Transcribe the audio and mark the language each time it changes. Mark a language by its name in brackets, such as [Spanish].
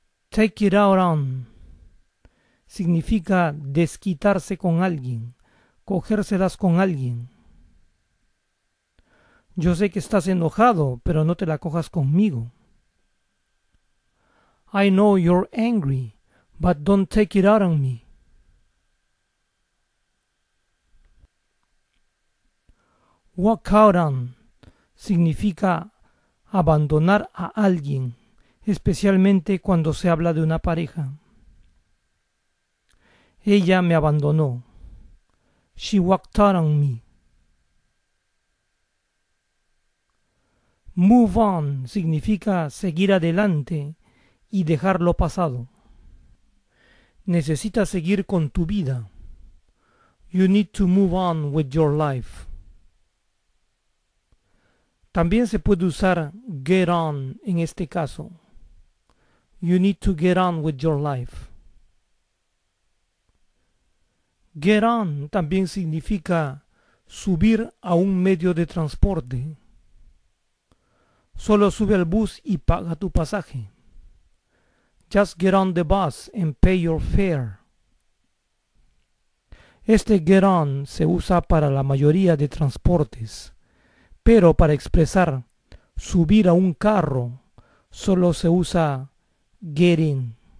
[Spanish] Take it out on significa desquitarse con alguien, cogérselas con alguien. Yo sé que estás enojado, pero no te la cojas conmigo. [English] I know you're angry, but don't take it out on me. [Spanish] Walk out on significa abandonar a alguien, especialmente cuando se habla de una pareja. Ella me abandonó. [English] She walked out on me. [Spanish] Move on significa seguir adelante y dejar lo pasado. Necesitas seguir con tu vida. [English] You need to move on with your life. [Spanish] También se puede usar get on en este caso. [English] You need to get on with your life. [Spanish] Get on también significa subir a un medio de transporte. Solo sube al bus y paga tu pasaje. [English] Just get on the bus and pay your fare. [Spanish] Este get on se usa para la mayoría de transportes, pero para expresar subir a un carro, solo se usa get in.